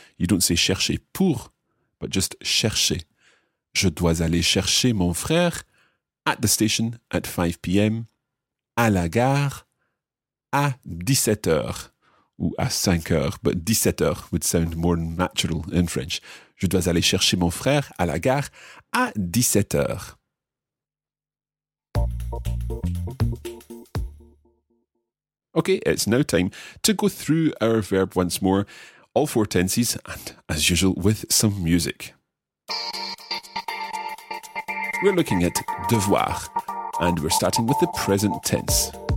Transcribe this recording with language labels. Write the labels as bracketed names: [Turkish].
[English] You don't say chercher pour, but just chercher. [French] Je dois aller chercher mon frère [English] at the station at 5 p.m. [French] À la gare à 17 heures. Ou à 5 heures, [English] but 17 heures would sound more natural in French. [French] Je dois aller chercher mon frère à la gare à 17 heures. [English] Okay, it's now time to go through our verb once more, all four tenses, and as usual, with some music. We're looking at devoir, and we're starting with the present tense.